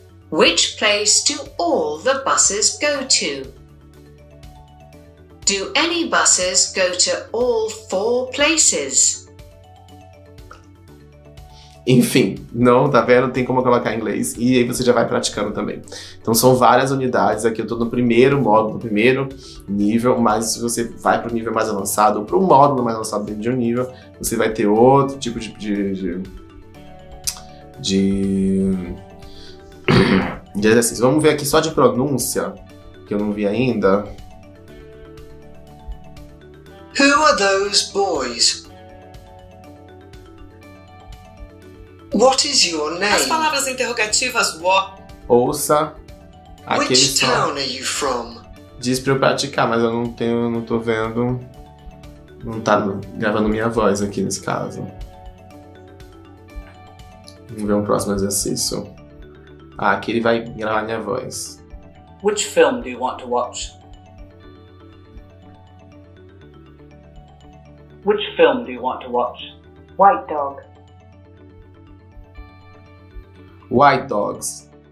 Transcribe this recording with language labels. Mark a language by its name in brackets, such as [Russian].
[English] Which place do all the buses go to? Do any buses go to all four places? [Portuguese] Enfim, não, tá vendo? Tem como colocar em inglês. E aí você já vai praticando também. Então são várias unidades. Aqui eu tô no primeiro módulo, no primeiro nível. Mas se você vai pro nível mais avançado ou pro módulo mais avançado dentro de um nível, você vai ter outro tipo de exercício. Vamos ver aqui só de pronúncia, que eu não vi ainda. [English] Who are those boys? What is your name? [Portuguese] As palavras interrogativas, what? Ouça. [English] Which town are you from? [Portuguese] Diz pra eu praticar, mas eu não tô vendo. Não tá gravando minha voz aqui nesse caso. Vamos ver um próximo exercício. Ah, aqui ele vai gravar minha voz. [English] Which film do you want to watch? Which film do you want to watch? White Dog. White Dogs.